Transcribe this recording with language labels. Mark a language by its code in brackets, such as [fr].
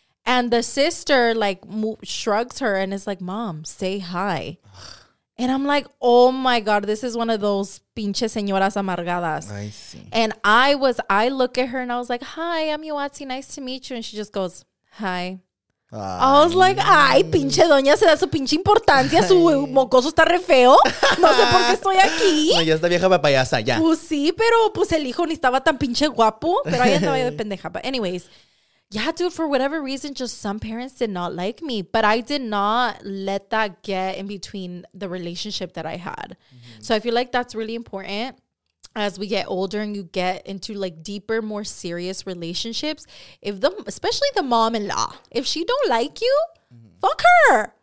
[en] And the sister, like, shrugs her and is like, mom, say hi. And I'm like, oh my God, this is one of those [es] pinche señoras amargadas. [en] I see. And I look at her and I was like, hi, I'm Yoatzi. Nice to meet you. And she just goes, hi. I was like, [es] ay, pinche doña, se da su pinche importancia, su mocoso está re feo, no sé por qué estoy aquí. No, ya está vieja papayasa, ya. Pues sí, pero pues el hijo ni estaba tan pinche guapo, pero ahí estaba yo de pendeja. [en] But anyways, yeah, dude, for whatever reason, just some parents did not like me, but I did not let that get in between the relationship that I had. Mm-hmm. So I feel like that's really important. As we get older and you get into like deeper, more serious relationships, especially the mom-in-law, if she don't like you, fuck her.